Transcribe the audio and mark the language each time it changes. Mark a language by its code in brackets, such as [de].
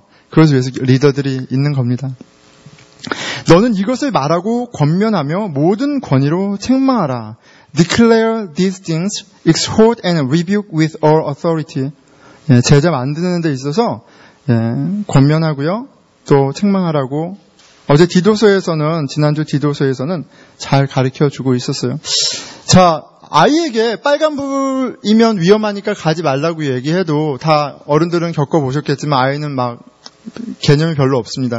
[ko] 그것을 위해서 리더들이 있는 겁니다. 너는 이것을 말하고 권면하며 모든 권위로 책망하라. [en] Declare these things, exhort and rebuke with all authority. [ko] 제자 만드는 데 있어서 권면하고요. 또 책망하라고. 어제 지난주 디도서에서는 잘 가르쳐주고 있었어요. 자, 아이에게 빨간불이면 위험하니까 가지 말라고 얘기해도 다 어른들은 겪어보셨겠지만 아이는 막 개념이 별로 없습니다.